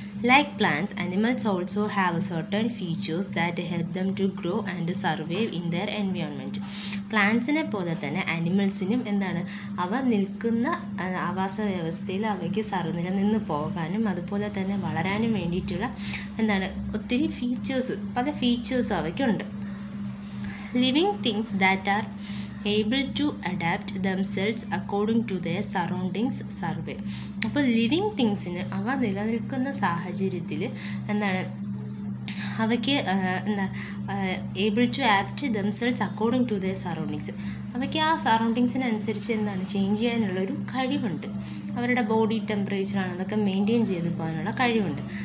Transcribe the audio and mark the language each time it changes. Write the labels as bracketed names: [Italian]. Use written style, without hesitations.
[English] Like plants, animals also have certain features that help them to grow and survive in their environment. [Malayalam] പ്ലാന്റ്സിനെ പോലെ തന്നെ അനിമൽസിനും എന്താണ്, അവ നിൽക്കുന്ന ആവാസ വ്യവസ്ഥയിൽ അവയ്ക്ക് സർവൈവ് നിന്ന് പോകാനും അതുപോലെ തന്നെ വളരാനും വേണ്ടിയിട്ടുള്ള എന്താണ് ഒത്തിരി ഫീച്ചേഴ്സ്, പല ഫീച്ചേഴ്സും അവയ്ക്കുണ്ട്. [English] Living things that are able to adapt themselves according to their surroundings survey. [Malayalam] അപ്പോൾ ലിവിങ് തിങ്സിന് അവ നിലനിൽക്കുന്ന സാഹചര്യത്തിൽ എന്താണ് അവയ്ക്ക് എന്താ [English] able to adapt themselves according to the surroundings, [Malayalam] അവയ്ക്ക് ആ സറൗണ്ടിങ്സിനനുസരിച്ച് എന്താണ് ചേഞ്ച് ചെയ്യാനുള്ളൊരു കഴിവുണ്ട്. അവരുടെ ബോഡി ടെമ്പറേച്ചറാണ് അതൊക്കെ മെയിൻറ്റെയിൻ ചെയ്ത് പോകാനുള്ള കഴിവുണ്ട്.